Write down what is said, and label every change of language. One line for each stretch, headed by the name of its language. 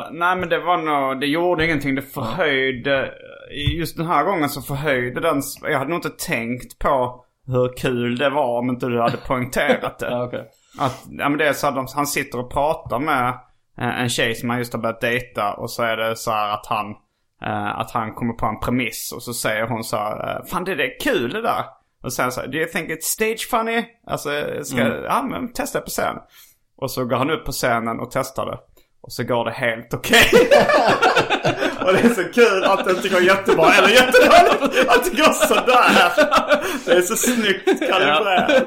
Swedish: Nej, men det var nog, det gjorde ingenting, det förhöjde, just den här gången så förhöjde den, jag hade nog inte tänkt på hur kul det var om inte du hade poängterat det. Att, ja, men det är så här, han sitter och pratar med en tjej som han just har börjat dejta, och så är det så här att han kommer på en premiss, och så säger hon så här, fan det är kul det där. Och sen så här,
English: do you think it's stage funny?
Swedish: Alltså, men testa på scen. Och så går han upp på scenen och testar det. Och så går det helt okej. Okay. Och det är så kul att det inte går jättebra. Eller jättedåligt att det går sådär. Det är så snyggt kalibrerat.